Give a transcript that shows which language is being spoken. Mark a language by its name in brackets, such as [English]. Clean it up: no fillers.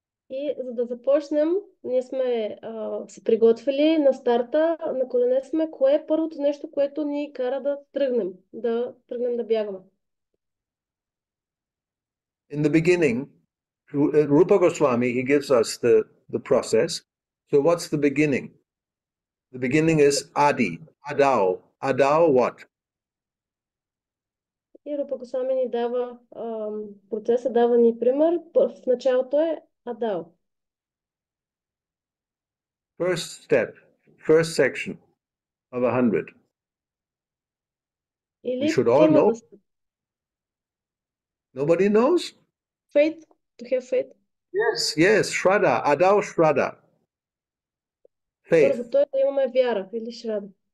[Bulgarian] И за да започнем, ние сме се приготвили на старта, на колене сме, кое е първото нещо, което ни кара да тръгнем да бягаме. [English] In the beginning, Rupa Goswami, he gives us the process. So what's the beginning? The beginning is Adi, Adao. Adao what? [Bulgarian] И Рупа Госвами ни дава процеса, дава ни пример. В началото е Адао. [English] First step, first section of 100. [Bulgarian] Или [English] we should all know. [Bulgarian] Да. [English] Nobody knows? Faith, to have faith. Yes, yes, Shraddha, Adao Shraddha. Faith. [Bulgarian] Първото е да имаме вяра или Shraddha.